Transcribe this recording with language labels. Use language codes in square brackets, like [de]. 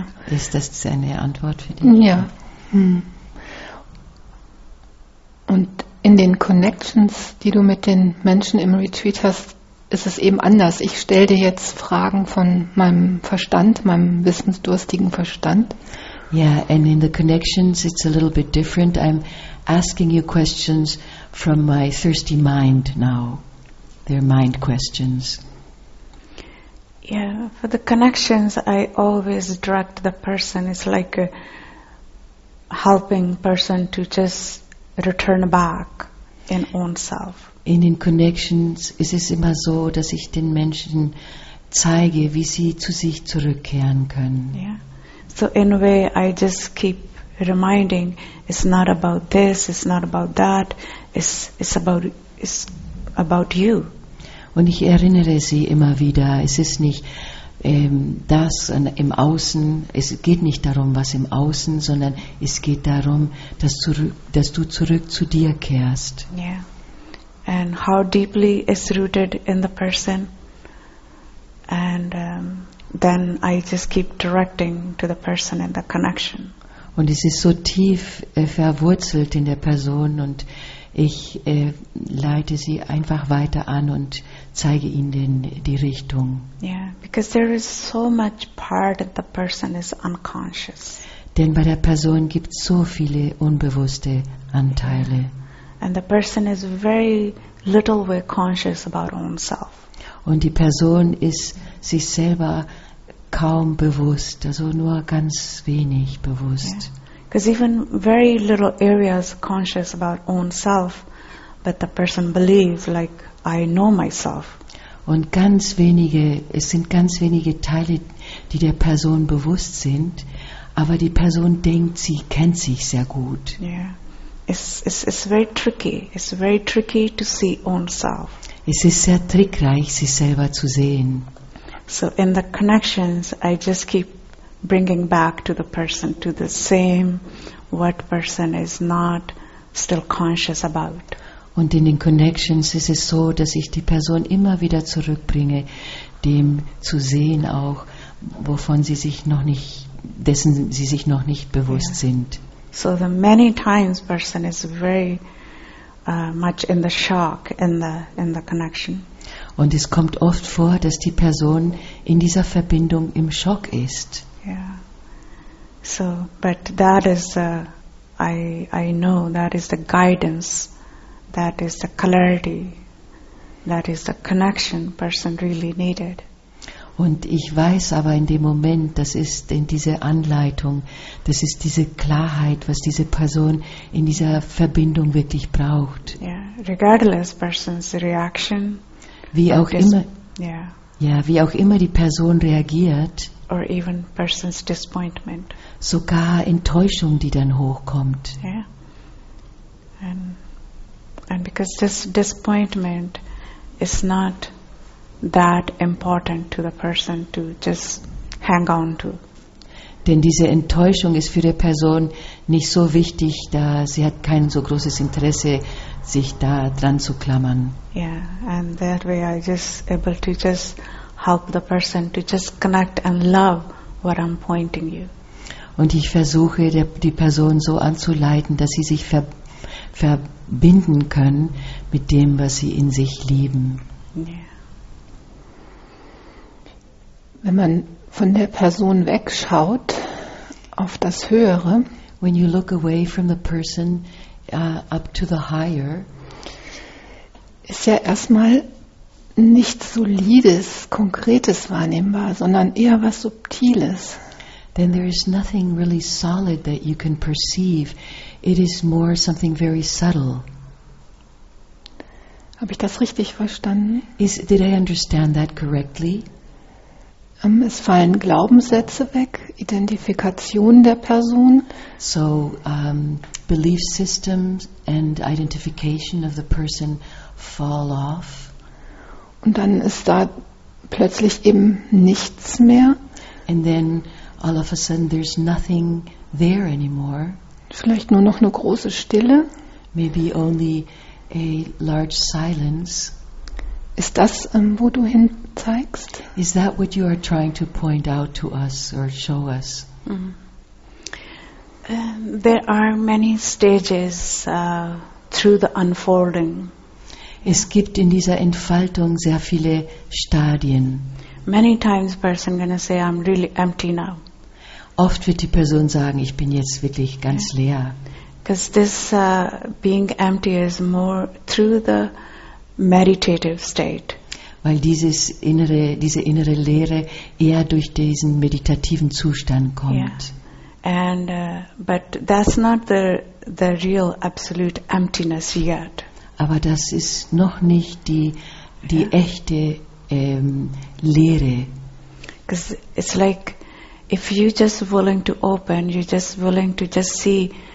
[de] Ist das eine Antwort für dich? Ja. Und in den Connections, die du mit den Menschen im Retreat hast, ist es eben anders. Ich stelle dir jetzt Fragen von meinem Verstand, meinem wissensdurstigen Verstand. [en] Yeah, and in the connections it's a little bit different. I'm asking you questions from my thirsty mind now. They're mind questions. Yeah, for the connections, I always direct the person. It's like a helping person to just return back in own self. [de] In den Connections ist es immer so, dass ich den Menschen zeige, wie sie zu sich zurückkehren können. [en] Yeah. So in a way, I just keep reminding, it's not about this, it's not about that, it's about you. [de] Und ich erinnere sie immer wieder, es ist nicht das im Außen, es geht nicht darum, was im Außen, sondern es geht darum, dass du zurück zu dir kehrst. [en] Yeah. And how deeply it's rooted in the person. And then I just keep directing to the person and the connection. [de] Und es ist so tief verwurzelt in der Person und ich leite sie einfach weiter an und zeige ihnen die Richtung. [en] Yeah, because there is so much part that the person is unconscious. [de] Denn bei der Person gibt es so viele unbewusste Anteile. [en] Yeah. And the person is very little way conscious about own self. [de] Und die Person ist sich selber kaum bewusst, also nur ganz wenig bewusst. [en] Yeah. Because even very little areas conscious about own self, but the person believes like I know myself. [de] Und ganz wenige, es sind ganz wenige Teile, die der Person bewusst sind, aber die Person denkt, sie kennt sich sehr gut. [en] Yeah, it's very tricky. It's very tricky to see own self. [de] Es ist sehr trickreich, sich selber zu sehen. [en] So in the connections, I just keep bringing back to the person to the same what person is not still conscious about. [de] Und in den Connections ist es so, dass ich die Person immer wieder zurückbringe, dem zu sehen auch, wovon sie sich noch nicht, dessen sie sich noch nicht bewusst [en] yeah. [de] sind. [en] So the many times person is very much in the shock in the connection. [de] Und es kommt oft vor, dass die Person in dieser Verbindung im Schock ist. [en] Yeah. So, but that is I know that is the guidance, that is the clarity, that is the connection person really needed. [de] Und ich weiß aber in dem Moment, das ist in diese Anleitung, das ist diese Klarheit, was diese Person in dieser Verbindung wirklich braucht. [en] Yeah. Regardless person's reaction. [de] Wie auch immer. [en] Yeah. [de] Ja, wie auch immer die Person reagiert. [en] Or even person's disappointment. [de] Sogar Enttäuschung, die dann hochkommt. [en] Yeah. And because this disappointment is not that important to the person to just hang on to. [de] Denn diese Enttäuschung ist für die Person nicht so wichtig, da sie hat kein so großes Interesse, sich da dran zu klammern. [en] Yeah, and that way I just able to just help the person to just connect and love what I'm pointing you. [de] Und ich versuche die Person so anzuleiten, dass sie sich verbinden können mit dem, was sie in sich lieben. [en] Yeah. [de] Wenn man von der Person wegschaut auf das Höhere, [en] when you look away from the person up to the higher, [de] ist ja erstmal nichts Solides, Konkretes wahrnehmbar, sondern eher was Subtiles. [en] Then there is nothing really solid that you can perceive. It is more something very subtle. [de] Habe ich das richtig verstanden? [en] Did I understand that correctly? [de] Es fallen Glaubenssätze weg, Identifikation der Person. [en] So, belief systems and identification of the person fall off. [de] Und dann ist da plötzlich eben nichts mehr. [en] And then all of a sudden there's nothing there anymore. [de] Vielleicht nur noch eine große Stille. [en] Maybe only a large silence. [de] Ist das, wo du hin zeigst? [en] Is that what you are trying to point out to us or show us? Mm-hmm. There are many stages through the unfolding. [de] Es gibt in dieser Entfaltung sehr viele Stadien. [en] Many times person gonna say I'm really empty now. [de] Oft wird die Person sagen, ich bin jetzt wirklich ganz leer. [en] Because this being empty is more through the meditative state. [de] Weil dieses innere, diese innere Leere eher durch diesen meditativen Zustand kommt. [en] Yeah. And but that's not the real absolute emptiness yet. [de] Aber das ist noch nicht die [en] yeah. [de] echte Leere. [en] Because it's like if you just willing to open, you're just willing to just see.